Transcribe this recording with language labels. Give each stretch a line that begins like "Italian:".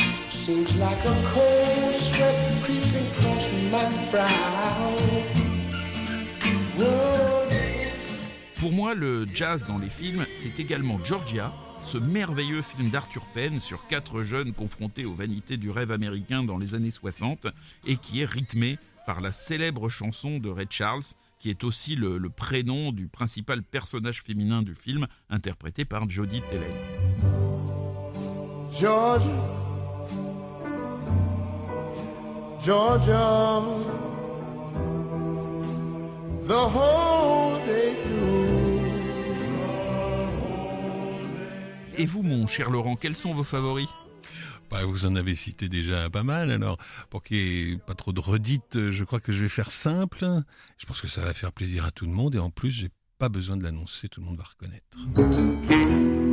English: Seems like a cold sweat creeping across my brow.
French: Pour moi, le jazz dans les films, c'est également Georgia, ce merveilleux film d'Arthur Penn sur quatre jeunes confrontés aux vanités du rêve américain dans les années 60 et qui est rythmé par la célèbre chanson de Ray Charles, qui est aussi le prénom du principal personnage féminin du film, interprété par Jodie Tellen.
English: Georgia, Georgia, the whole day through.
French: Et vous, mon cher Laurent, quels sont vos favoris? Bah, vous en avez cité déjà pas mal, alors pour qu'il n'y ait pas trop de redites, je crois que je vais faire simple. Je pense que ça va faire plaisir à tout le monde et en plus, j'ai pas besoin de l'annoncer, tout le monde va reconnaître.